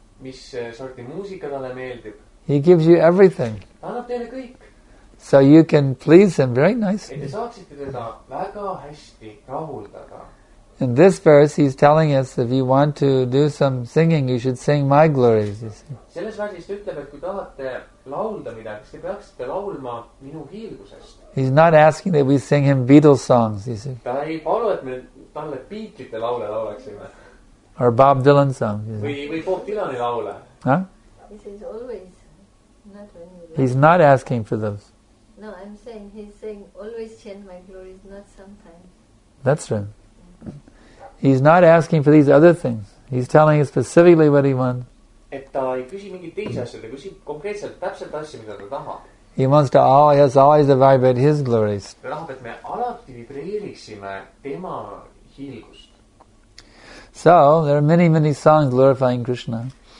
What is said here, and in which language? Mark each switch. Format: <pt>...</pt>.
<et>Mis sorti muusika talle meeldib?</et> <en>He gives you everything.</en> <et>Annab teile kõik.</et> <en>So you can please him very nicely.</en> <et>Te saaksite teda väga hästi rahuldada.</et> <en>In this verse, he's telling us if you want to do some singing, you should sing my glories. You see.</en> <et>Selles versis ütleb, et kui tahate laulda midagi, siis te peaksite laulma minu hiilgusest.</et> <en>He's not asking that we sing him Beatles songs. You see.</en> <et>Ta ei palu, et me talle Beatlesite laule laulaksime.</et> <en>Or Bob Dylan song. Is</en> <et>või Bob Dylan'i laule. Huh?</et> <en>He says always. Not when you like. He's not asking for those. No, I'm saying he's saying always chant my glories, not sometimes. That's right. He's not asking for these other things. He's telling you specifically what he wants.</en> <et>Et ta ei küsi mingi teise asja, ta küsib konkreetselt täpselt asja, mida ta tahab.</et> <en>He wants to always vibrate his glories.</en> <et>Ta tahab, et me alati vibreeriksime tema hiilgust.</et> <en>So, there are many, many songs glorifying Krishna.</en>